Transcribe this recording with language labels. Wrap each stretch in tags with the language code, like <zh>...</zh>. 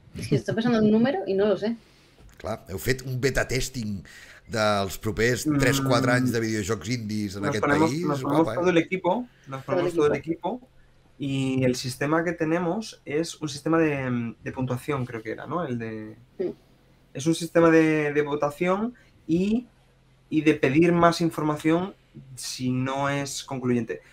<es>Sí, estoy pensando en un número y no lo sé.</es> <ca>Clar, heu fet un beta testing dels propers 3-4 anys de videojocs indies en aquest país.</ca> <es>Nos ponemos todo el equipo y el sistema que tenemos es un sistema de puntuación, creo que era, ¿no? Es un sistema de votación y de pedir más información si no es concluyente.</es>